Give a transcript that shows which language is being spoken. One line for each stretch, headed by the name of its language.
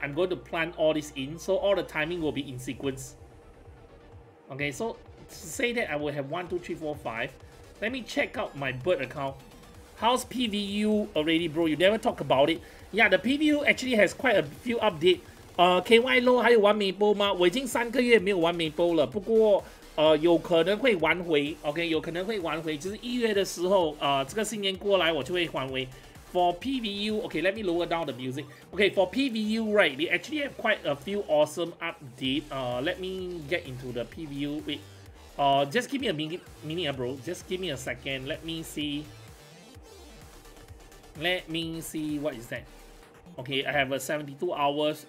English: I'm going to plant all this in. So all the timing will be in sequence. Okay, so to say that I will have 1, 2, 3, 4, 5. Let me check out my bird account. How's PVU already, bro? You never talk about it. Yeah, the PVU actually has quite a few updates.
Chinese: KY Low, 还有玩 Maple 吗? 我已经三个月没有玩 Maple 了, 不过, 有可能会玩回, okay, 有可能会玩回, 就是1月的时候, 这个新年过来, 我就会还回。
English: For PVU, okay, let me lower down the music. Okay, for PVU, right, they actually have quite a few awesome updates. Let me get into the PVU. Wait, just give me a minute, bro. Just give me a second. Let me see what is that. Okay, I have a 72 hours.